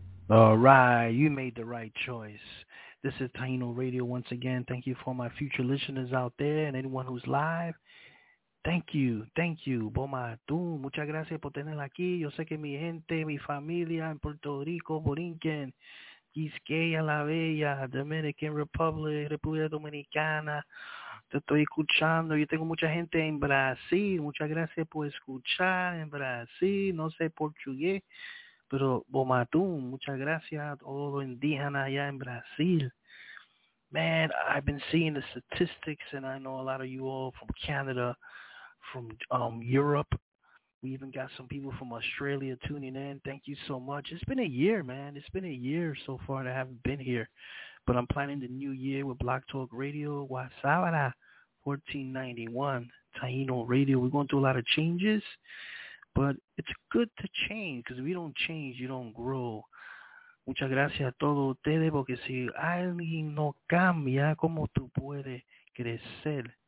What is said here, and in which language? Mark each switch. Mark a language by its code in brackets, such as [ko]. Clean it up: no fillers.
[en] All right, you made the right choice. This is Taino Radio once again. Thank you for my future listeners out there and anyone who's live. Thank you, thank you. [es] Boma tú, muchas gracias por tenerla aquí. Yo sé que mi gente, mi familia en Puerto Rico, Borinquen, Quisqueya, La Bella, Dominican Republic, República Dominicana, te estoy escuchando. Yo tengo mucha gente en Brasil. Muchas gracias por escuchar en Brasil. No sé portugués. Pero, Bomatum, muchas gracias a todos los indígenas allá en Brasil. [en] Man, I've been seeing the statistics, and I know a lot of you all from Canada, from Europe. We even got some people from Australia tuning in. Thank you so much. It's been a year, man. It's been a year so far that I haven't been here. But I'm planning the new year with Block Talk Radio, Wasabara 1491, Taino Radio. We're going through a lot of changes. But it's good to change, because if you don't change, you don't grow. [es] Muchas gracias a todos ustedes, porque si alguien no cambia, ¿cómo tú puedes crecer?